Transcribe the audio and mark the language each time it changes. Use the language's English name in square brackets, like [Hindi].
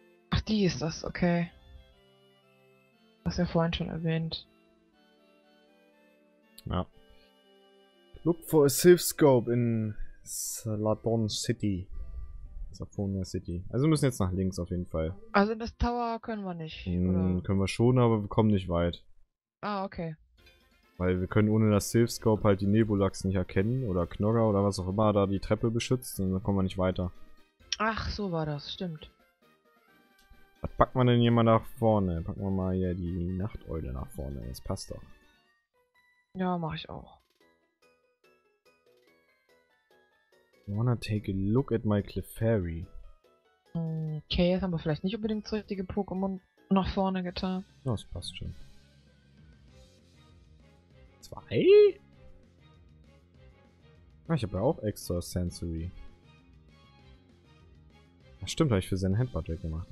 [German] Ach, die ist das, okay. Hast du ja vorhin schon erwähnt. Ja. [English] Look for a Sylphscope in Saladon City. Saphonia City. [German] Also wir müssen jetzt nach links auf jeden Fall. Also in das Tower können wir nicht. Können wir schon, aber wir kommen nicht weit. Ah, okay. Weil wir können ohne das Sylphscope halt die Nebulax nicht erkennen oder Knogger oder was auch immer da die Treppe beschützt und dann kommen wir nicht weiter. Ach, so war das, stimmt. Was packen wir denn hier mal nach vorne? Packen wir mal hier die Nachteule nach vorne, das passt doch. Ja, mach ich auch. [English] Wanna take a look at my Clefairy. [German] Okay, jetzt haben wir vielleicht nicht unbedingt das richtige Pokémon nach vorne getan. Ja, das passt schon. 2? Ah, ich habe ja auch extra Sensory. Ach, stimmt, habe ich für seinen Handbutt weggemacht.